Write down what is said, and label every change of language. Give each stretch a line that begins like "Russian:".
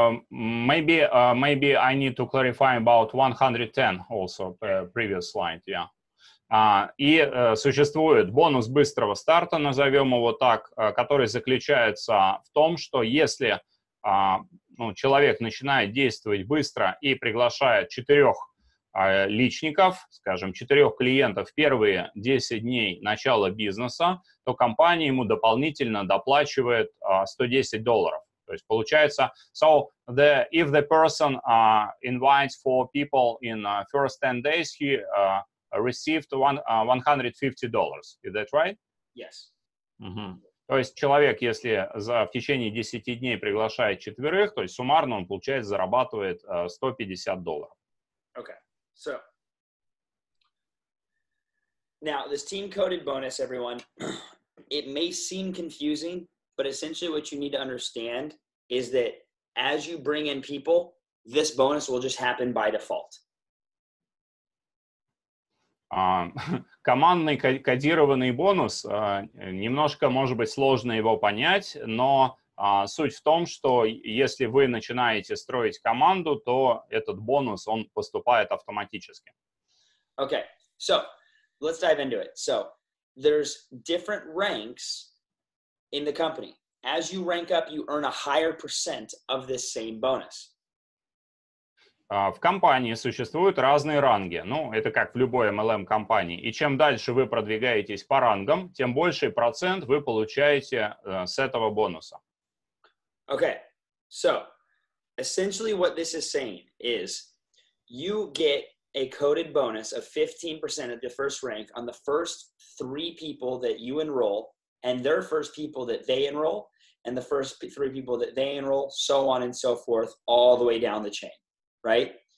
English: Maybe I need to clarify about 110 also, previous slide, yeah.
Russian: И существует бонус быстрого старта, назовем его так, который заключается в том, что если человек начинает действовать быстро и приглашает четырех личников, скажем, четырех клиентов первые 10 дней начала бизнеса, то компания ему дополнительно доплачивает $110. То есть получается,
English: so the if the person invites four people in first 10 days, he received $150. Is that right? Yes. Mm-hmm.
Russian: То есть человек, если в течение 10 дней приглашает четверых, то есть суммарно он получает, зарабатывает $150.
English: Okay. So, now, this team-coded bonus, everyone, it may seem confusing, but essentially what you need to understand is that as you bring in people, this bonus will just happen by default.
Russian: Командный кодированный бонус, немножко, может быть, сложно его понять, но суть в том, что если вы начинаете строить команду, то этот бонус, он поступает автоматически.
English: Okay, so let's dive into it. So there's different ranks in the company. As you rank up, you earn a higher percent of this same bonus.
Russian: В компании существуют разные ранги. Ну, это как в любой MLM-компании. И чем дальше вы продвигаетесь по рангам, тем больший процент вы получаете с этого бонуса.
English: Okay. So, essentially what this is saying is you get a coded bonus of 15% of the first rank on the first three people that you enroll and their first people that they enroll and the first three people that they enroll, so on and so forth, all the way down the chain. Right?